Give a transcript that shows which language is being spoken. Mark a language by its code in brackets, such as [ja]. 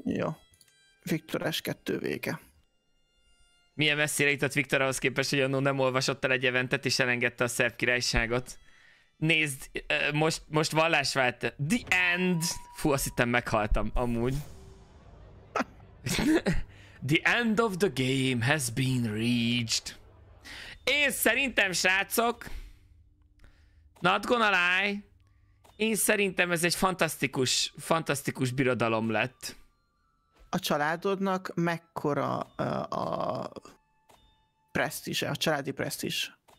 [hu] Jó. Viktor S2 vége. Milyen messzire jutott Viktor ahhoz képest, hogy annól nem olvasott el egy eventet, és elengedte a szerb királyságot. Nézd, most vallás vált. [en] The end! [hu] Fú, azt hittem meghaltam, amúgy. [en] The end of the game has been reached. [hu] Én szerintem, srácok, [en] not gonna lie, [hu] én szerintem ez egy fantasztikus birodalom lett. A családodnak mekkora a presztízse, a családi presztízs?